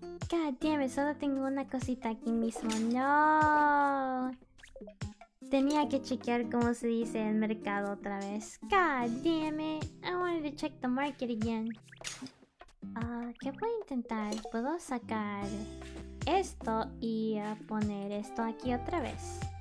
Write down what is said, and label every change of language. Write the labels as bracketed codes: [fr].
[en] God damn it, [es] solo tengo una cosita aquí mismo. No. Tenía que chequear cómo se dice el mercado otra vez. [en] God damn it, I wanted to check the market again. [es] Ah, ¿qué puedo intentar? Puedo sacar esto y poner esto aquí otra vez.